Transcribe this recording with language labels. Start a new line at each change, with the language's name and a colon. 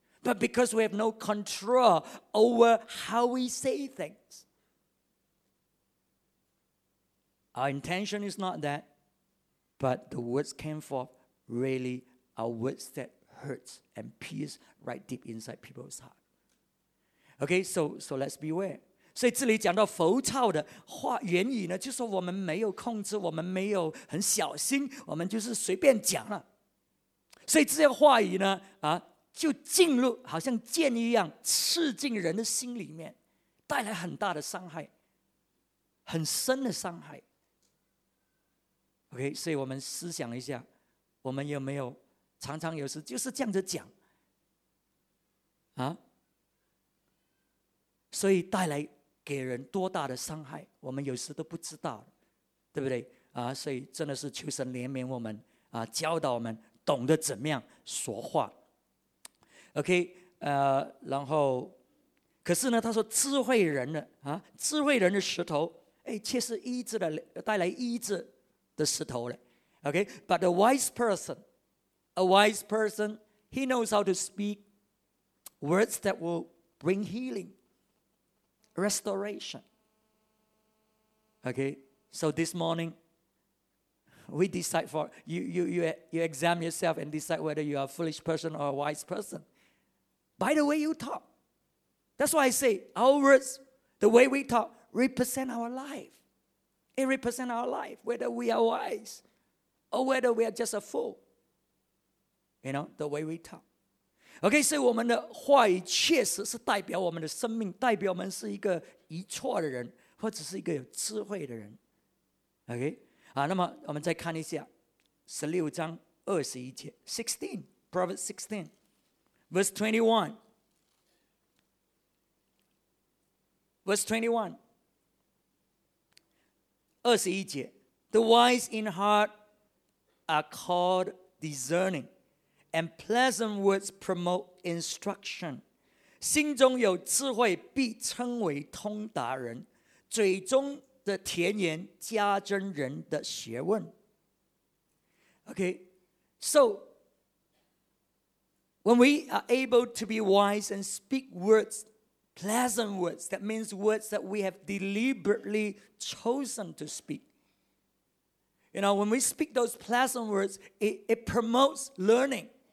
English: But because we have no control over how we say things. Our intention is not that, but the words came forth really are words that hurt and pierce right deep inside people's heart. Okay, so let's beware.
Chinese: 所以这里讲到浮躁的话，原语呢，就是我们没有控制，我们没有很小心，我们就是随便讲了。所以这些话语呢、啊、就进入好像箭一样刺进人的心里面，带来很大的伤害，很深的伤害。 OK， 所以我们思想一下，我们有没有常常有时就是这样子讲啊，所以带来给人多大的伤害，我们有时都不知道，对不对啊？所以真的是求神怜悯我们啊，教导我们懂得怎么样说话。 OK， 然后，可是呢，他说智慧人的啊，智慧人的石头，哎，却是医治的，带来医治的石头嘞。
English: OK， but a wise person, a wise person, he knows how to speak words that will bring healing, restoration. Okay, so this morning. We decide for you examine yourself and decide whether you are a foolish person or a wise person by the way you talk. That's why I say our words, the way we talk, represent our life. It represents our life, whether we are wise or whether we are just a fool. You know, the way we talk. Okay, so
Chinese: 我们的话语确实是代表我们的生命，代表我们是一个愚错的人，或者是一个有智慧的人。
English: Okay.
Chinese: 啊、那么我们再看一下16章21节
English: Proverbs 16 Verse 21
Chinese: 21 节
English: The wise in heart are called discerning, and pleasant words promote instruction.
Chinese: 心中有智慧必称为通达人，嘴中的甜言加增人的学问。
English: OK, so when we are able to be wise and speak words, pleasant words, that means words that we have deliberately chosen to speak. You know, when we speak those pleasant words, it promotes learning.